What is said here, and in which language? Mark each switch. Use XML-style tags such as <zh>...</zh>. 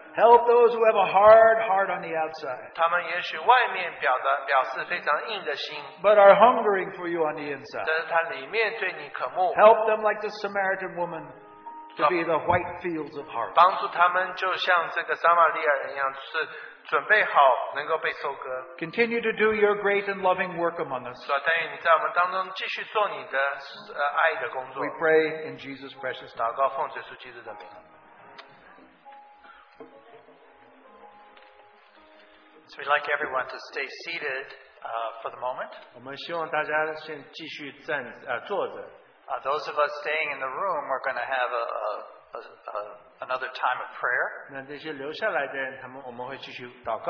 <en>Help those who have a hard heart on the outside.</en> <zh>他们也许外面表示非常硬的心,</zh> <en>but are hungering for you on the inside.</en> <zh>但是他里面对你渴慕。</zh> <en>Help them like the Samaritan woman to be the white fields of harvest.</en> <zh>帮助他们就像这个撒玛利亚人一样, 是准备好能够被收割。</zh> <en>Continue to do your great and loving work among us.</en> <zh>是啊,但愿你在我们当中继续做你的, 爱的工作。</zh> <en>We pray in Jesus' precious name.</en> <zh>祷告奉耶稣基督的名。</zh> <en>So we'd like everyone to stay seated for the moment.</en> <zh>我们希望大家先继续站坐着。</zh> <en>Those of us staying in the room are going to have another time of prayer.</en> <zh>那这些留下来的人，他们我们会继续祷告。</zh>